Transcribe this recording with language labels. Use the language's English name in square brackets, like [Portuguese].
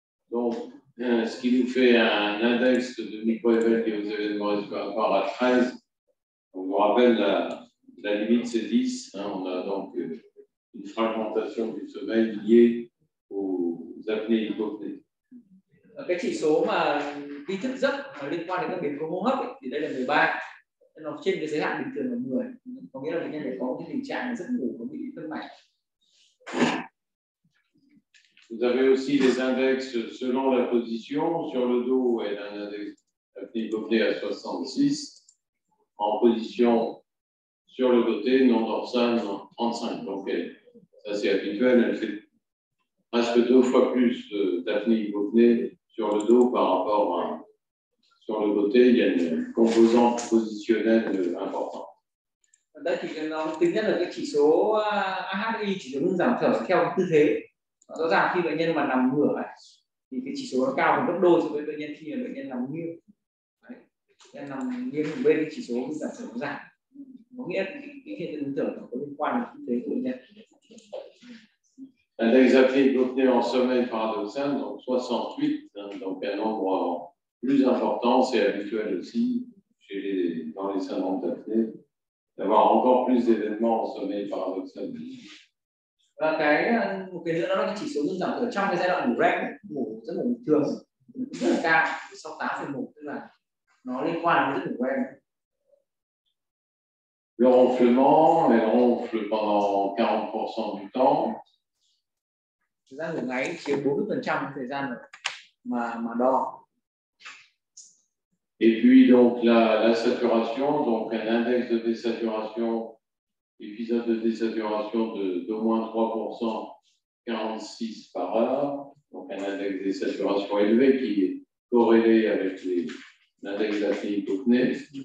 [French] Donc, ce qui nous fait un index de micro-éveils liés aux événements respiratoires à 13. On vous rappelle, la limite, c'est 10. Hein, on a donc une fragmentation du sommeil liée aux apnées hypopnées. [Vietnamese] Cái chỉ số mà vi thức giấc liên quan đến các biến cố hô hấp ấy, thì đây là 13. Nó trên cái giới hạn bình thường là 10. Có nghĩa là bệnh nhân phải có cái tình trạng giấc ngủ có bị tăng mạch. [French] Vous avez aussi les index selon la position sur le dos, ouais, là, un index apnée hypopnée à 66 en position sur le côté non dorsal 35. Donc ça c'est habituel, elle fait presque deux fois plus d'apnée hypopnée sur le dos par rapport à sur le côté, il y a une composante positionnelle importante. [Vietnamese] Đây thì nó tính nhất là cái chỉ số AHI, chỉ số ngưng giảm thở theo tư thế. Rõ ràng khi bệnh nhân mà nằm ngửa ấy, thì cái chỉ số nó cao hơn gấp đôi so với bệnh nhân khi bệnh nhân nằm nghiêng. Đấy. Nằm nghiêng một bên thì chỉ số ngưng giảm thở nó giảm. Có nghĩa cái hiện tượng ngưng thở có liên quan đến tư thế của bệnh nhân. [French] Un index apnée hypopnée en sommeil paradoxal, donc 68, hein, donc un nombre plus important, c'est habituel aussi chez dans les syndromes d'apnée, d'avoir encore plus d'événements en sommeil paradoxal. [Vietnamese] Và cái một cái nữa đó là cái chỉ số ngưng giảm thở trong cái giai đoạn ngủ REM, ngủ rất là bình thường, rất là cao, 68,1, tức là nó liên quan đến thử của em. [French] Le ronflement, elle ronfle pendant 40% du temps. [Vietnamese] Thời gian ngủ ngáy chiếm 40% thời gian mà đo. [French] Et puis donc la saturation, donc un index de désaturation, épisode de désaturation d'au moins 3%, 46 par heure, donc un index de désaturation élevé qui est corrélé avec l'index de la fille hypopnée.